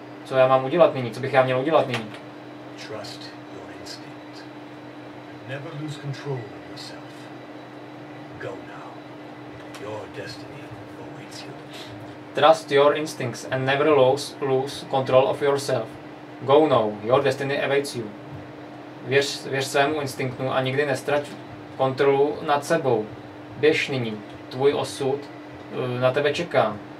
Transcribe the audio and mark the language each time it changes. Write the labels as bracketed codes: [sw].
[cs] Co bych já měl udělat nyní? [en] Trust your instinct. Never lose control of yourself. Go now. Your destiny awaits you. Trust your instincts and never lose control of yourself. Go now, your destiny awaits you. [cs] Věř svému instinktu a nikdy nestrať kontrolu nad sebou. Běž nyní, tvůj osud na tebe čeká.